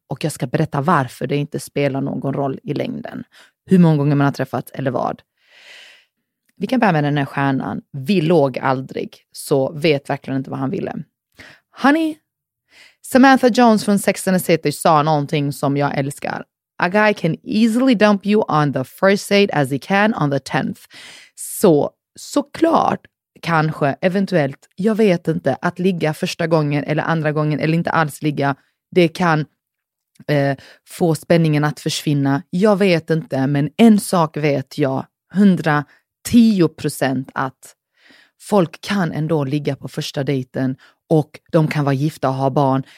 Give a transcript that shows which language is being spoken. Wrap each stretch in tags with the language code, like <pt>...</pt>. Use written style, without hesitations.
<sv>Och jag ska berätta varför det inte spelar någon roll i längden. Hur många gånger man har träffat eller vad. Vi kan börja med den här stjärnan. Vi låg aldrig, så vet verkligen inte vad han ville. Honey, Samantha Jones från Sex and the City sa någonting som jag älskar.</sv> <en>A guy can easily dump you on the first date as he can on the 10th.</en> <sv>Såklart, kanske, eventuellt, jag vet inte, att ligga första gången eller andra gången eller inte alls ligga, det kan få spänningen att försvinna. Jag vet inte, men en sak vet jag, 110% att folk kan ändå ligga på första dejten och de kan vara gifta och ha barn.</sv>